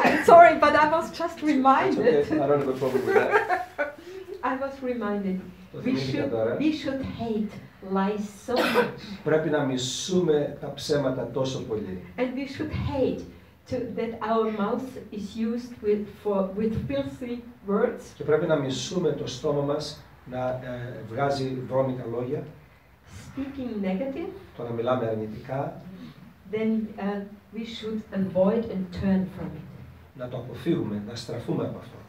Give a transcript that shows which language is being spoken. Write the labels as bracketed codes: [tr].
[en] Sorry, but I was just reminded. Okay, I don't have a problem with that. I was reminded. We should hate lies so much. [el] Πρέπει να μισούμε τα ψέματα τόσο πολύ. [en] And we should hate that our mouth is used with filthy words. [el] Και πρέπει να μισούμε το στόμα μας να βγάζει βρώμικα λόγια. [en] Speaking negative. [el] Το να μιλάμε αρνητικά. [en] Then we should avoid and turn from it. [el] Να το αποφύγουμε, να στραφούμε από αυτό.